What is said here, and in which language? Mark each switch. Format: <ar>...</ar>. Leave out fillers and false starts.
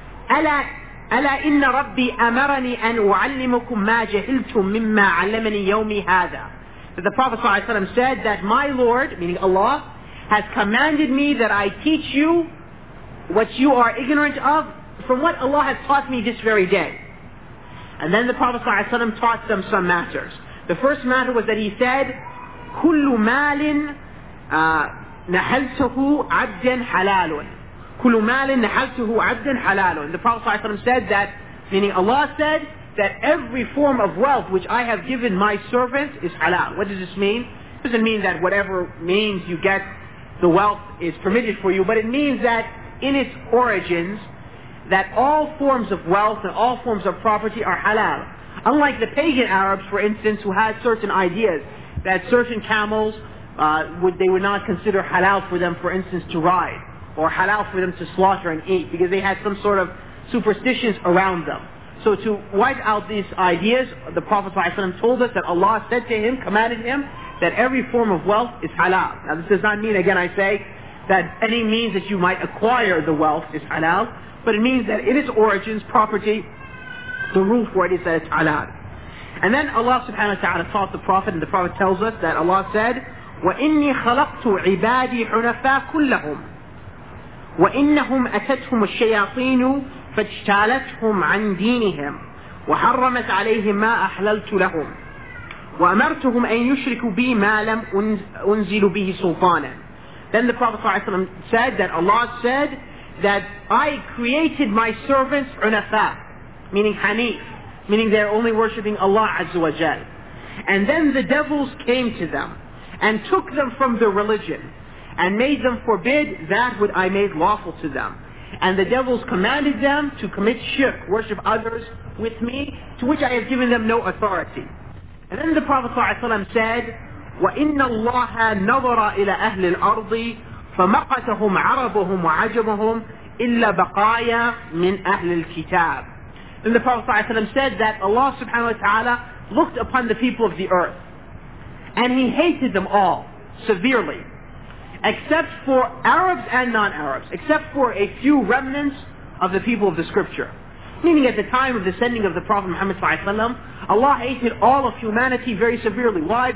<ar>ألا إن ربي أمرني أن أعلمكم ما جهلتم مما علمني يومي هذا,</ar> <en>that the Prophet ﷺ said that my Lord, meaning Allah, has commanded me that I teach you what you are ignorant of from what Allah has taught me this very day. And then the Prophet ﷺ taught them some matters. The first matter was that he said,</en> <ar>كُلُّ مَالٍ نَحَلْتُهُ عَبْدًا حَلَالٌ كُلُّ مَالٍ نَحَلْتُهُ عَبْدًا حَلَالٌ.</ar> <en>The Prophet ﷺ said that, meaning Allah said, that every form of wealth which I have given my servant is halal. What does this mean? It doesn't mean that whatever means you get the wealth is permitted for you, but it means that in its origins, that all forms of wealth and all forms of property are halal. Unlike the pagan Arabs, for instance, who had certain ideas that certain camels, they would not consider halal for them, for instance, to ride, or halal for them to slaughter and eat, because they had some sort of superstitions around them. So to wipe out these ideas, the Prophet ﷺ told us that Allah said to him, commanded him, that every form of wealth is halal. Now this does not mean, again I say, that any means that you might acquire the wealth is halal, but it means that in its origins, property, the rule for it is that it's halal. And then Allah subhanahu wa ta'ala taught the Prophet, and the Prophet tells us that Allah said,</en> <ar>وَإِنِّي خَلَقْتُ عِبَادِي حُنَفَا كُلَّهُمْ وَإِنَّهُمْ أَتَتْهُمُ الشَّيَاطِينُ فَاجْتَالَتْهُمْ عَنْ دِينِهِمْ وَحَرَّمَتْ عَلَيْهِمْ مَا أَحْلَلْتُ لَهُمْ وَأَمَرْتُهُمْ أَنْ يُشْرِكُوا بِي مَا لَمْ أُنْزِلُ بِهِ سُلْطَانًا.</ar> <en>Then the Prophet ﷺ said that Allah said that I created my servants unafa, meaning hanif, meaning they're only worshipping Allah Azza wa Jal. And then the devils came to them and took them from their religion and made them forbid that which I made lawful to them. And the devils commanded them to commit shirk, worship others with me, to which I have given them no authority. And then the Prophet ﷺ said,</en> <ar>وَإِنَّ اللَّهَ نَظَرَ إِلَى أَهْلِ الْأَرْضِ فَمَقَتَهُمْ عَرَبُهُمْ وَعَجَبَهُمْ إِلَّا بَقَايَا مِنْ أَهْلِ الْكِتَابِ.</ar> <en>Then the Prophet ﷺ said that Allah subhanahu wa ta'ala looked upon the people of the earth, and he hated them all severely, except for Arabs and non-Arabs, except for a few remnants of the people of the scripture. Meaning at the time of the sending of the Prophet Muhammad sallallahu alaihi wasallam, Allah hated all of humanity very severely. Why?</en>